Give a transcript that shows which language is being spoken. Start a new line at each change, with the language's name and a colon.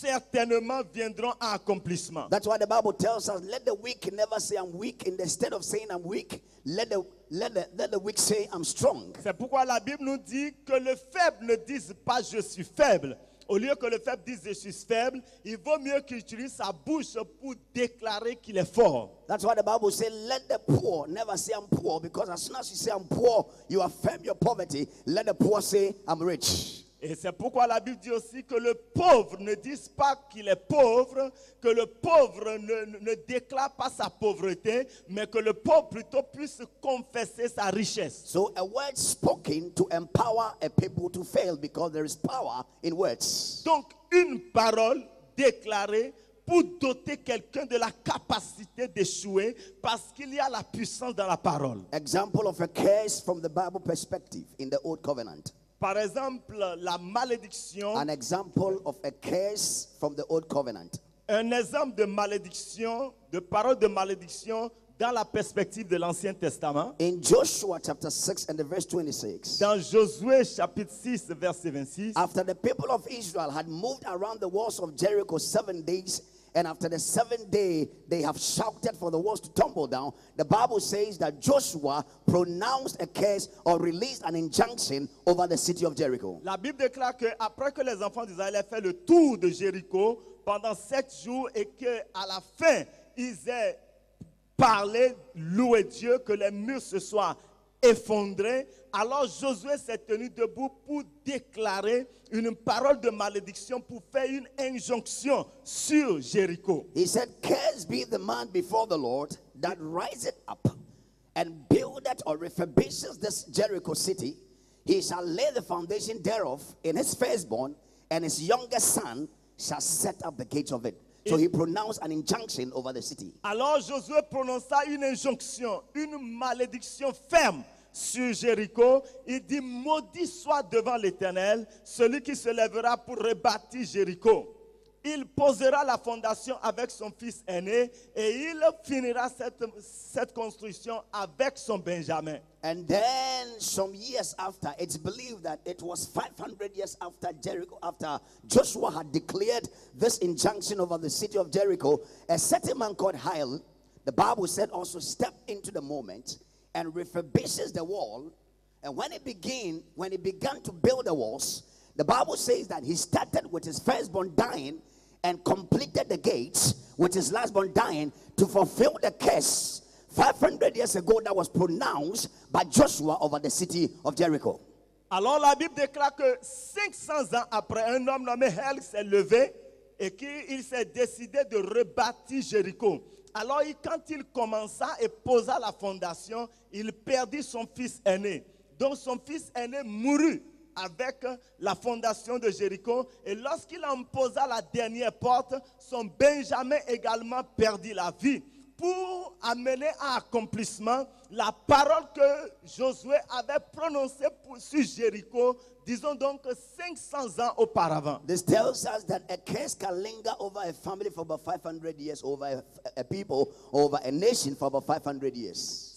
French: certainement viendront à accomplissement.
English: That's why the Bible tells us, let the weak never say I'm weak. Instead of saying I'm weak, let the weak say I'm strong.
French: C'est pourquoi la Bible nous dit que le faible ne dise pas je suis faible. Au lieu que le faible dise je suis faible, il vaut mieux qu'il utilise sa bouche pour déclarer qu'il est fort.
English: That's why the Bible says, let the poor never say I'm poor, because as soon as you say I'm poor, you affirm your poverty. Let the poor say I'm rich.
French: Et c'est pourquoi la Bible dit aussi que le pauvre ne dise pas qu'il est pauvre, que le pauvre ne déclare pas sa pauvreté, mais que le pauvre plutôt puisse confesser sa richesse.
English: So a word spoken to empower a people to fail, because there is power in words.
French: Donc une parole déclarée pour doter quelqu'un de la capacité d'échouer, parce qu'il y a la puissance dans la parole.
English: Example of a curse from the Bible perspective in the Old Covenant.
French: Par exemple, la malédiction.
English: An example of a curse from the old covenant.
French: Un exemple de malédiction, de parole de malédiction dans la perspective de l'Ancien Testament.
English: In Joshua chapter 6 and the verse 26.
French: Dans Josué chapitre 6 verset 26.
English: After the people of Israel had moved around the walls of Jericho 7 days, and after the 7th day they have shouted for the walls to tumble down, the Bible says that Joshua pronounced a curse or released an injunction over the city of Jericho.
French: La Bible déclare que après que les enfants d'Israël aient fait le tour de Jéricho pendant 7 jours et que à la fin ils aient parlé, loué Dieu, que les murs se soient effondrés, alors Josué s'est tenu debout pour déclarer une parole de malédiction pour faire une injonction sur Jéricho.
English: He said, cursed be the man before the Lord that riseth up and buildeth or refurbisheth this Jericho city. He shall lay the foundation thereof in his firstborn, and his youngest son shall set up the gates of it. So he pronounced an injunction over the city.
French: Alors Josué prononça une injonction, une malédiction ferme sur Jéricho. Il dit, maudit soit devant l'Éternel celui qui se lèvera pour rebâtir Jéricho. Il posera la fondation avec son fils aîné et il finira cette construction avec son Benjamin.
English: And then some years after, it's believed that it was 500 years after Jericho, after Joshua had declared this injunction over the city of Jericho, a certain man called Hiel, the Bible said, also stepped into the moment and refurbishes the wall. And when he began to build the walls, the Bible says that he started with his firstborn dying and completed the gates with his lastborn dying to fulfill the curse 500 years ago that was pronounced by Joshua over the city of Jericho.
French: Alors la Bible déclare que 500 ans après, un homme nommé Hiel s'est levé et qu'il s'est décidé de rebâtir Jéricho. Alors quand il commença et posa la fondation, il perdit son fils aîné. Donc son fils aîné mourut avec la fondation de Jéricho. Et lorsqu'il en posa la dernière porte, son Benjamin également perdit la vie pour amener à accomplissement la parole que Josué avait prononcée sur Jéricho, disons donc 500 ans auparavant.
English: This tells us that a curse can linger over a family for about 500 years, over a people, over a nation for about 500 years.